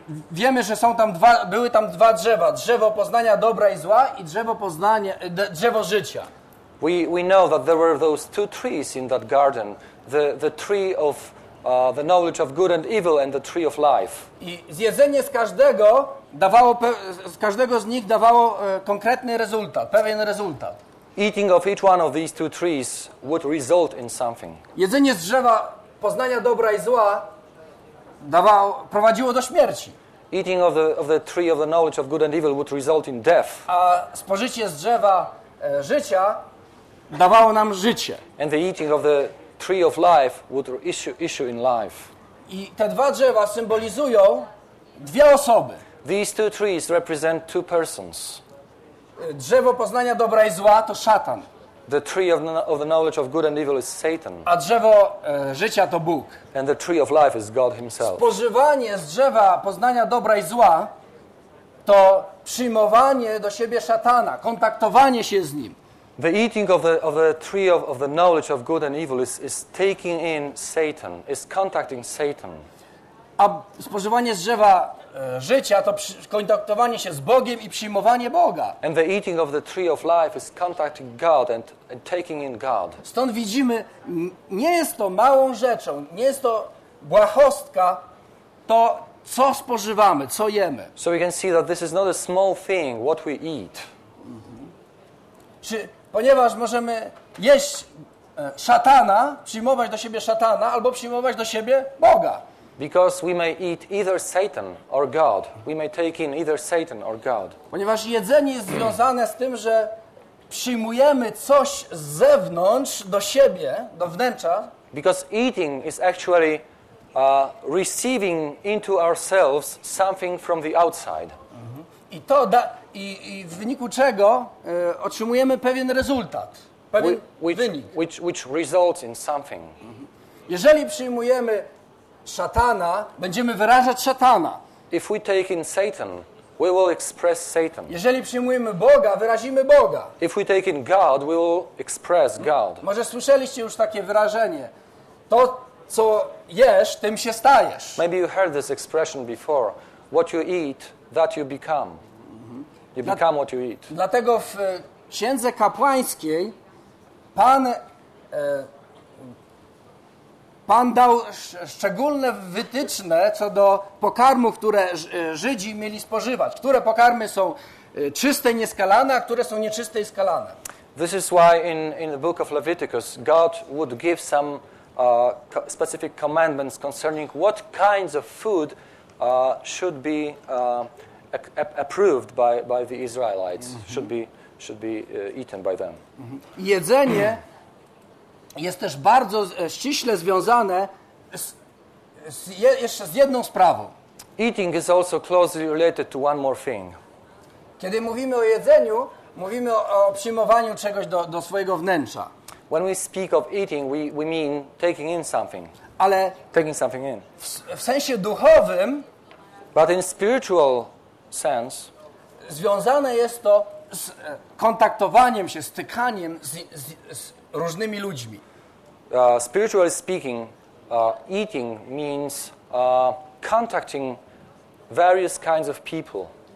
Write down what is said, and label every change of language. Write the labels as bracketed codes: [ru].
[pl] Wiemy, że są tam były tam dwa drzewa: drzewo poznania dobra i zła i drzewo życia. [en] We know that there were those two trees in that garden, the tree of the knowledge of good and evil and the tree of life. [pl] I zjedzenie z każdego dawało z każdego z nich dawało konkretny rezultat, pewien rezultat. [en] Eating of each one of these two trees would result in something. [pl] Jedzenie z drzewa poznania dobra i zła prowadziło do śmierci. [en] Eating of the tree of the knowledge of good and evil would result in death. [pl] A spożycie z drzewa życia dawało nam życie. [en] And the eating of the tree of life would issue in life. [pl] I te dwa drzewa symbolizują dwie osoby. [en] These two trees represent two persons. [pl] Drzewo poznania dobra i zła to szatan. [en] The tree of the knowledge of good and evil is Satan. [pl] A drzewo życia to Bóg. [en] And the tree of life is God himself. [pl] Spożywanie z drzewa poznania dobra i zła to przyjmowanie do siebie szatana, kontaktowanie się z nim. [en] The eating of the tree of the knowledge of good and evil is taking in Satan, is contacting Satan. [pl] A spożywanie z drzewa życia to kontaktowanie się z Bogiem i przyjmowanie Boga. [en] And the eating of the tree of life is contacting God and taking in God. [pl] Stąd widzimy, nie jest to małą rzeczą, nie jest to błahostka to, co spożywamy, co jemy. [en] So we can see that this is not a small thing, what we eat. [pl] Ponieważ możemy jeść szatana, przyjmować do siebie szatana, albo przyjmować do siebie Boga. [en] Because we may eat either Satan or God. We may take in either Satan or God. [pl] Ponieważ jedzenie jest związane z tym, że przyjmujemy coś z zewnątrz do siebie, do wnętrza. [en] Because eating is actually receiving into ourselves something from the outside. [pl] I to da. I w wyniku czego otrzymujemy pewien rezultat, pewien wynik. [en] Which results in something. [pl] Jeżeli przyjmujemy szatana, będziemy wyrażać szatana. [en] If we take in Satan, we will express Satan. [pl] Jeżeli przyjmujemy Boga, wyrazimy Boga. [en] If we take in God, we will express God. [pl] Może słyszeliście już takie wyrażenie. To, co jesz, tym się stajesz. [en] Maybe you heard this expression before. What you eat, that you become. You become what you eat. [pl] Dlatego w Księdze Kapłańskiej Pan Pan dał szczególne wytyczne co do pokarmu, które Żydzi mieli spożywać. Które pokarmy są czyste i nieskalane, a które są nieczyste i skalane. [en] This is why in the book of Leviticus God would give some specific commandments concerning what kinds of food should be approved by the Israelites, mm-hmm. should be eaten by them. Mm-hmm. [pl] Jedzenie jest też bardzo ściśle związane jeszcze z jedną sprawą. [en] Eating is also closely related to one more thing. [pl] Kiedy mówimy o jedzeniu, mówimy o przyjmowaniu czegoś do swojego wnętrza. [en] When we speak of eating, we mean taking in something. [pl] Ale [en] taking something in. [pl] W sensie duchowym, [en] but in spiritual sense, [pl] związane jest to z kontaktowaniem się, stykaniem z różnymi ludźmi. [en] Spiritually speaking, eating means contacting various kinds of people.